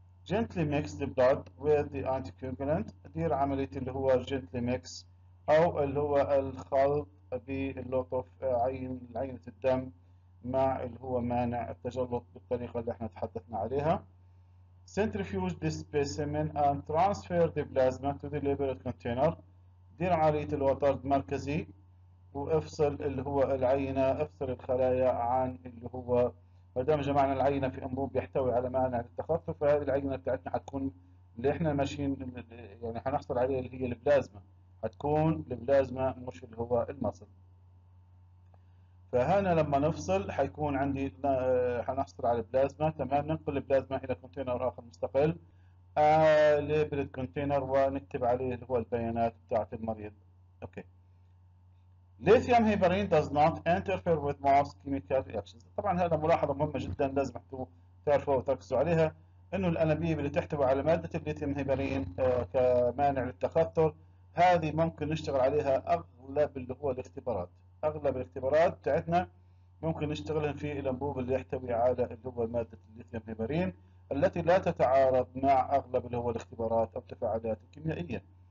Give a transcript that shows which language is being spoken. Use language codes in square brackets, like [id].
[en] Gently mix the blood with the anticoagulant. [ar] دير عملية اللي هو [en] gently mix [ar] أو اللي هو الخلط باللطف عينة الدم مع اللي هو مانع التجلط بالطريقة اللي احنا تحدثنا عليها. [en] Centrifuge the specimen and transfer the plasma to the labeled container. [ar] دير عملية الوتر مركزي وافصل اللي هو العينة، افصل الخلايا عن اللي هو ما دام جمعنا العينة في أنبوب بيحتوي على مانع التخثر، فهذه العينة بتاعتنا حتكون اللي احنا ماشيين يعني حنحصل عليها اللي هي البلازما، حتكون البلازما مش اللي هو المصل. فهنا لما نفصل حيكون عندي حنحصل على البلازما. تمام، ننقل البلازما الى كونتينر اخر مستقل [en] labeled container [ar] ونكتب عليه اللي هو البيانات بتاعت المريض. [en] Okay, lithium heparin does not interfere with most chemical reactions. [ar] طبعا هذا ملاحظة مهمة جدا لازم تعرفوها وتركزوا عليها، انه الانابيب اللي تحتوي على مادة الليثيوم هيبرين كمانع للتخثر هذه ممكن نشتغل عليها اغلب اللي هو الاختبارات. اغلب الاختبارات بتاعتنا ممكن نشتغل في الانبوب اللي يحتوي على اللي هو ماده الليثيوم هيبرين التي لا تتعارض مع اغلب اللي هو الاختبارات او التفاعلات الكيميائيه.